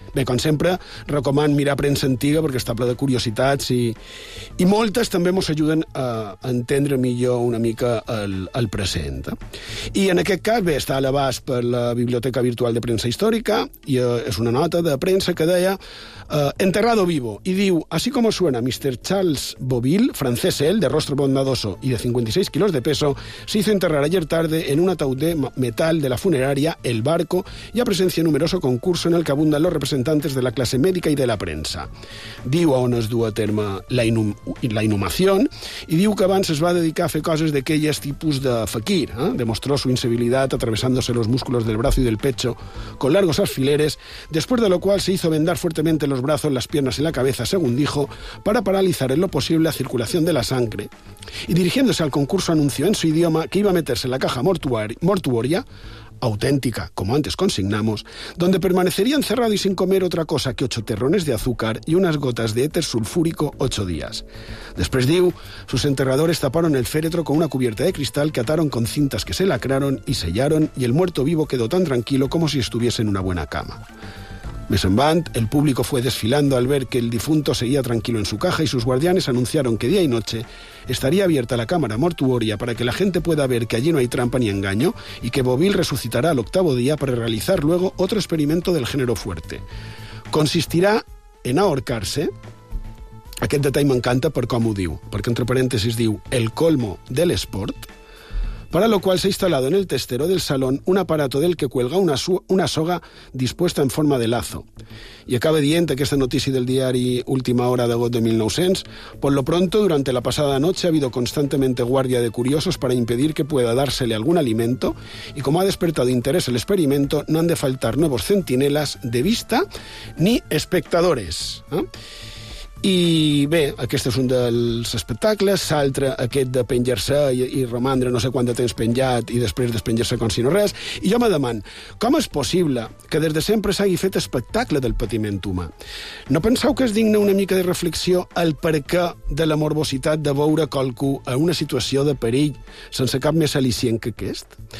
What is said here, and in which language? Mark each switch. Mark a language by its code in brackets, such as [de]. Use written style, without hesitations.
[ca] Bé, com sempre, recoman mirar premsa antiga perquè està ple de curiositats i moltes també ens ajuden a entendre millor una mica el present. I en aquest cas, bé, està a l'abast per la Biblioteca Virtual de Premsa Històrica i és una nota de premsa que deia Enterrado vivo, i diu [es] así como suena, Mr. Charles Beauville, francés él, de rostro bondadoso y de 56 kilos de peso, se hizo enterrar ayer tarde en un ataúd de metal de la funeraria El Barco y a presencia de numeroso concurso en el que abundan los representantes de la clase médica y de la prensa. [ca] Diu a on es du a terme la inhumación i diu que abans es va dedicar a fer coses d'aquelles tipus de fakir, eh? [es] Demostró su incivilidad atravesándose los músculos del brazo y del pecho con largos alfileres, después de lo cual se hizo vendar fuertemente los brazos, las piernas y la cabeza, según dijo, para paralizar en lo posible la circulación de la sangre. Y dirigiéndose al concurso anunció en su idioma que iba a meterse en la caja mortuoria, auténtica, como antes consignamos, donde permanecería encerrado y sin comer otra cosa que 8 terrones de azúcar y unas gotas de éter sulfúrico 8 días. Después [ca] diu, [es] sus enterradores taparon el féretro con una cubierta de cristal que ataron con cintas que se lacraron y sellaron, y el muerto vivo quedó tan tranquilo como si estuviese en una buena cama. [ca] Més en van, [es] el público fue desfilando al ver que el difunto seguía tranquilo en su caja y sus guardianes anunciaron que día y noche estaría abierta la cámara mortuoria para que la gente pueda ver que allí no hay trampa ni engaño y que Beauville resucitará al octavo día para realizar luego otro experimento del género fuerte. Consistirá en ahorcarse. [ca] Aquest detall m'encanta per com ho diu, perquè entre parèntesis diu [es] el colmo del esport. Para lo cual se ha instalado en el testero del salón un aparato del que cuelga una soga dispuesta en forma de lazo. [ca] Y acaba dient aquesta notícia del diari Última Hora d'agost de 1900, [es] por lo pronto, durante la pasada noche ha habido constantemente guardia de curiosos para impedir que pueda dársele algún alimento, y como ha despertado interés el experimento, no han de faltar nuevos centinelas de vista ni espectadores. ¿Eh? [ca] I bé, aquest és un dels espectacles. L'altre, aquest de penjar-se i romandre no sé quant de temps penjat i després despenjar-se com si no res. I jo me deman, com és possible que des de sempre s'hagi fet espectacle del patiment humà? No penseu que és digne una mica de reflexió el perquè de la morbositat de veure qualcú en una situació de perill sense cap més al·licient que aquest?